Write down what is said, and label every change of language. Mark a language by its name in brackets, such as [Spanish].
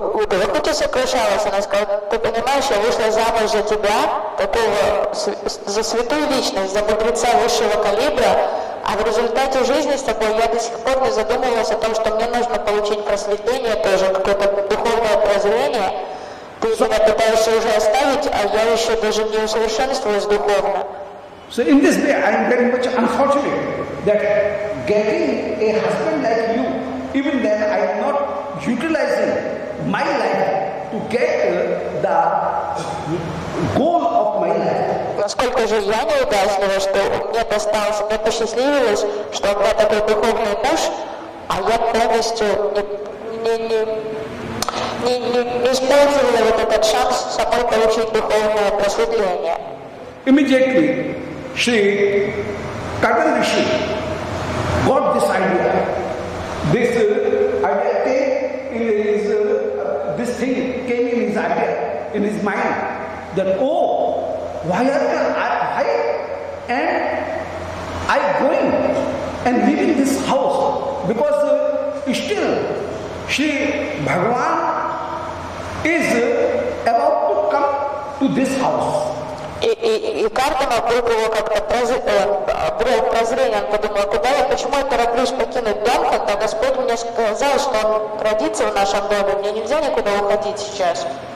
[Russian] Девакути сокрушалась, она сказала, ты понимаешь, я вышла замуж за тебя, такого, за святую личность, за мудреца высшего калибра, а в результате жизни с тобой я до сих пор не задумывалась о том, что мне нужно получить просветление тоже, какое-то духовное прозрение. Ты меня пытаешься уже оставить, а я еще даже не усовершенствовалась духовно. [English] So in this way, I'm very much unfortunate that getting a husband like you, even then, I am not utilizing my life to get the goal of my life. [Russian] Насколько же я неудачлива, что мне досталось, мне посчастливилось, что у меня такой духовный муж, а я полностью не использовала вот этот шанс самой получить духовное просветление. [English] Immediately, Shri Kardama Rishi got this idea. This this thing came in his idea, in his mind, that, oh, why am I going and leaving this house? Because still, Shri Bhagavan is about to come to this house. [Russian] И Кардама вдруг его как-то обрел прозрение, он подумал, куда я, почему я тороплюсь покинуть дом, когда Господь мне сказал, что он родится в нашем доме, мне нельзя никуда уходить сейчас.